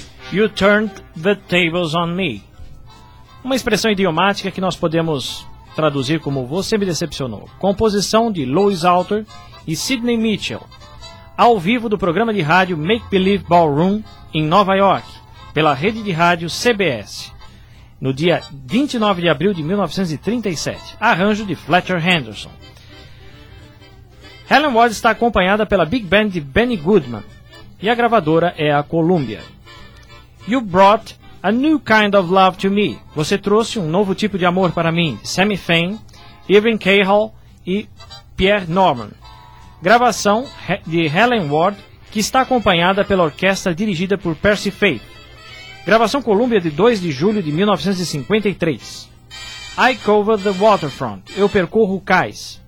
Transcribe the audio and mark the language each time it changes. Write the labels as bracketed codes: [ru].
[en] You turned the tables on me. [pt] Uma expressão idiomática que nós podemos traduzir como você me decepcionou. Composição de Louis Alter e Sidney Mitchell. Ao vivo do programa de rádio Make Believe Ballroom em Nova York, pela rede de rádio CBS. No dia 29 de abril de 1937, arranjo de Fletcher Henderson. Helen Ward está acompanhada pela Big Band de Benny Goodman e a gravadora é a Columbia. [en] You brought a new kind of love to me. [pt] Você trouxe um novo tipo de amor para mim. Sammy Fain, Irving Cahill e Pierre Norman. Gravação de Helen Ward, que está acompanhada pela orquestra dirigida por Percy Faith. Gravação Columbia de 2 de julho de 1953. I Cover the Waterfront, Eu Percorro o Cais.